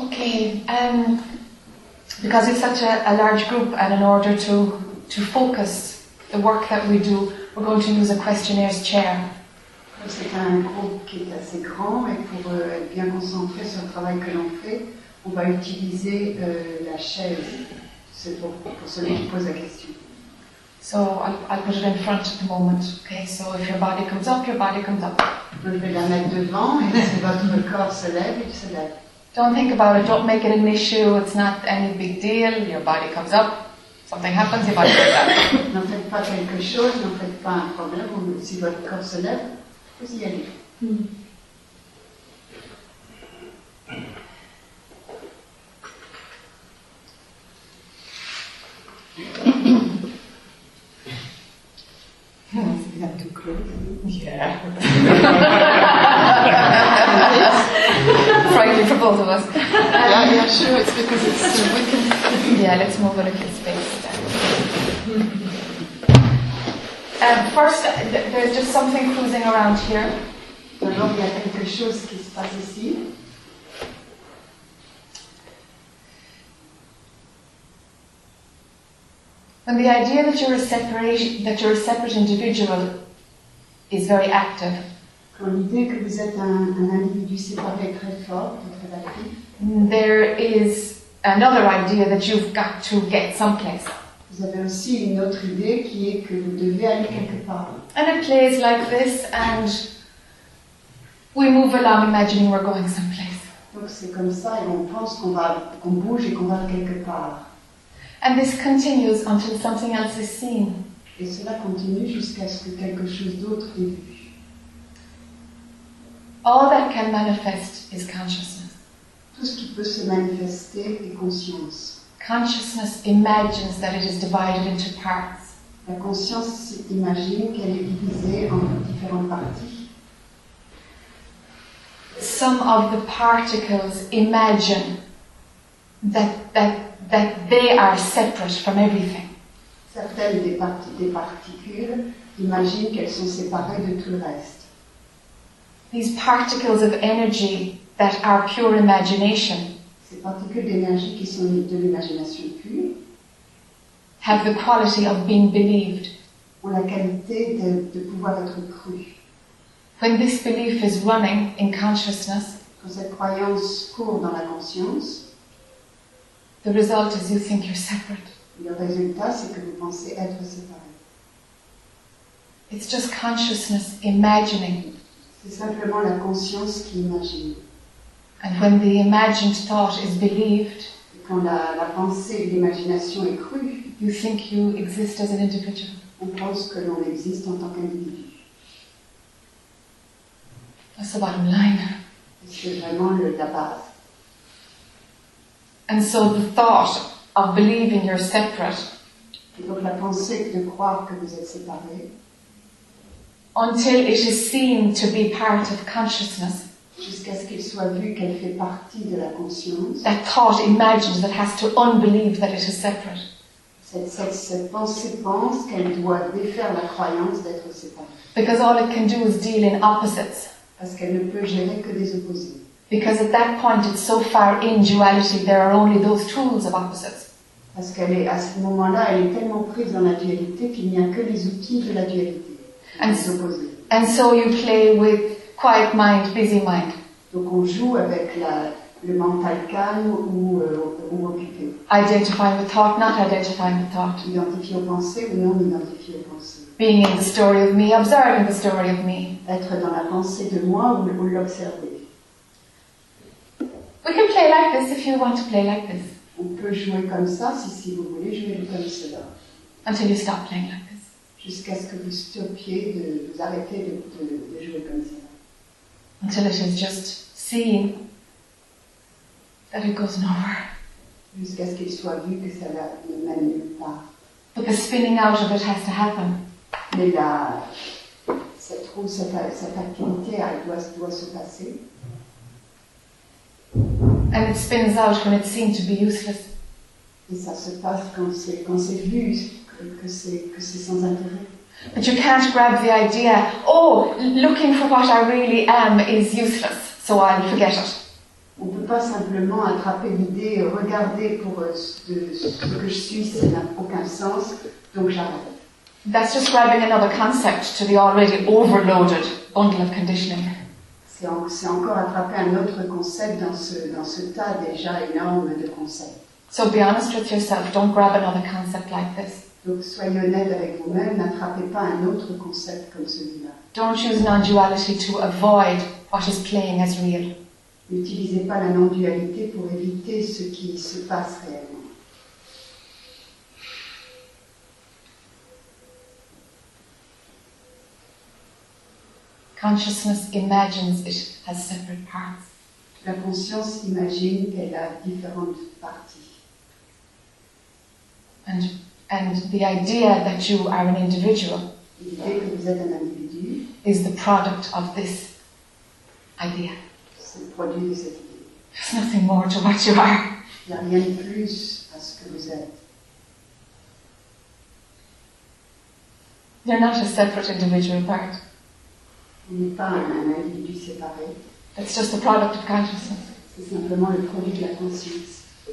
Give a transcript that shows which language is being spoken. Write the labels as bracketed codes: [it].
[en] because it's such a large group, and in order to focus the work that we do, we're going to use a questionnaire's chair. [fr] C'est un groupe qui est assez grand, et pour être bien concentré sur le travail que l'on fait, on va utiliser la chaise. C'est pour celui qui pose la question. [en] So I'll put it in front at the moment. Okay. So if your body comes up, your body comes up. [fr] Je vais la mettre devant, et si votre corps se lève, il se lève. [en] Don't think about it. Don't make it an issue. It's not any big deal. Your body comes up. Something happens. Your body comes up. [fr] N'en faites pas quelque chose. N'en faites pas un problème. Si votre corps se lève, vous y allez. [en] Is that too close? Yeah. Yes. Frightening for both of us. Yeah, sure, it's because it's so wicked. Yeah, let's move on a little space. First, there's just something cruising around here. [fr] D'abord, il y a quelque chose qui se passe ici. [en] And the idea that you're a separate individual is very active. [fr] Quand l'idée que vous êtes un individu séparé très fort, très actif. [en] There is another idea that you've got to get someplace. [fr] Vous avez aussi une autre idée qui est que vous devez aller quelque part. [en] And it plays like this, and we move along, imagining we're going someplace. [fr] Donc c'est comme ça, et on pense qu'on bouge et qu'on va quelque part. [en] And this continues until something else is seen. [fr] Et cela continue jusqu'à ce que quelque chose d'autre est vu. [en] All that can manifest is consciousness. [fr] Tout ce qui peut se manifester est conscience. [en] Consciousness imagines that it is divided into parts. [fr] La conscience imagine qu'elle est divisée en différentes parties. [en] Some of the particles imagine that they are separate from everything. [fr] Certaines des particules imaginent qu'elles sont séparées de tout le reste. [en] These particles of energy that are pure imagination, [fr] ces particules d'énergie qui sont de l'imagination pure, [en] have the quality of being believed, [fr] ont la qualité de pouvoir être cru. [en] When this belief is running in consciousness, [fr] quand cette croyance court dans la conscience, [en] the result is you think you're separate. [fr] Le résultat, c'est que vous pensez être séparé. [en] It's just consciousness imagining. [fr] C'est simplement la conscience qui imagine. [en] And when the imagined thought is believed, [fr] et quand la pensée, l'imagination est crue, [en] you think you exist as an individual. [fr] On pense que l'on existe en tant qu'individu. [en] That's the bottom line. [fr] C'est vraiment la base. [en] And so the thought of believing you're separate. [fr] Et donc la pensée de croire que vous êtes séparé. [en] Until it is seen to be part of consciousness. [fr] Jusqu'à ce qu'il soit vu qu'elle fait partie de la conscience. [en] That thought imagines that has to unbelieve that it is separate. [fr] Cette pensée pense qu'elle doit défaire la croyance d'être séparée. [en] Because all it can do is deal in opposites. [fr] Parce qu'elle ne peut gérer que des opposés. [en] Because at that point it's so far in duality, there are only those tools of opposites. [fr] Parce qu'elle est à ce moment-là, elle est tellement prise dans la dualité qu'il n'y a que les outils de la dualité. [en] And so you play with quiet mind, busy mind. [fr] Donc on joue avec le mental calme ou occupé. [en] Identifying with thought, not identifying with thought. [fr] Identifier aux pensées ou non identifier aux pensées. [en] Being in the story of me, observing the story of me. [fr] Être dans la pensée de moi ou l'observer. [en] We can play like this if you want to play like this. [fr] On peut jouer comme ça si vous voulez jouer comme cela. [en] Until you stop playing like this. [fr] Jusqu'à ce que vous stoppiez de vous arrêter de jouer comme ça. [en] Until it is just seen that it goes nowhere. [fr] Jusqu'à ce qu'il soit vu que ça ne mène nulle part. [en] But the spinning out of it has to happen. [fr] Mais cette activité, elle doit se passer. [en] And it spins out when it's seen to be useless. [fr] Et ça se passe quand c'est vu que c'est sans intérêt. [en] But you can't grab the idea, looking for what I really am is useless, so I'll forget it. [fr] On pas simplement attraper l'idée, regarder pour ce que je suis, ça n'a aucun sens, donc j'arrête. [en] That's just grabbing another concept to the already overloaded bundle of conditioning. [fr] C'est encore attraper un autre concept dans ce tas déjà énorme de concepts. [en] So be honest with yourself, don't grab another concept like this. [fr] Donc soyez honnête avec vous-même, n'attrapez pas un autre concept comme celui-là. [en] Don't choose non-duality to avoid what is playing as real. [fr] N'utilisez pas la non-dualité pour éviter ce qui se passe réellement. [en] Consciousness imagines it has separate parts. [fr] La conscience imagine qu'elle a différentes parties. [en] And the idea that you are an individual is the product of this idea. [fr] C'est le produit de cette idée. [en] There's nothing more to what you are. [fr] Il n'y a rien de plus à ce que vous êtes. [en] They're not a separate individual part. [fr] Il n'est pas un individu séparé. [en] It's just the product of consciousness. [fr] C'est simplement le produit de la conscience.